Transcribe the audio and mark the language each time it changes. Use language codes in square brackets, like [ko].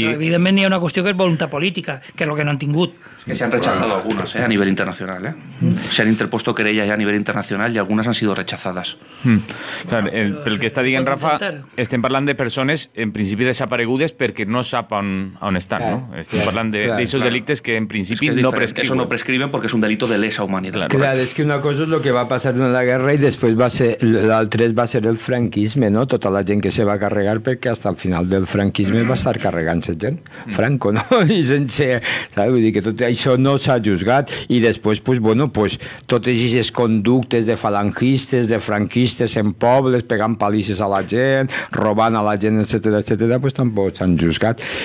[ca] Però, evidentment, hi ha una qüestió que és voluntat política, que és el que no han tingut. [es] Que se han rechazado algunas a nivel internacional. Se han interpuesto querellas ya a nivel internacional y algunas han sido rechazadas. [ca] Claro, pel que està dient Rafa, estem parlant de persones en principi desaparegudes perquè no sap on estan. Claro. ¿No? Estem parlant d'aquests delictes que en principi no prescriben. [es] Eso no prescriben porque es un delito de lesa humanidad. Claro, es que una cosa es lo que va a pasar en la guerra y después [ca] l'altre va a ser el franquisme, [es] ¿no? [ca] Tota la gent que se va a carregar perquè hasta el final del franquisme va a estar carregant-se gent. Franco, ¿no? I sense... ¿Sabes? Vull dir que tot això no s'ha juzgat i després totes aquestes conductes de falangistes, de franquistes en pobles, pegant palisses a la gent, robant a la gent, etcètera, pues tampoc s'han juzgat.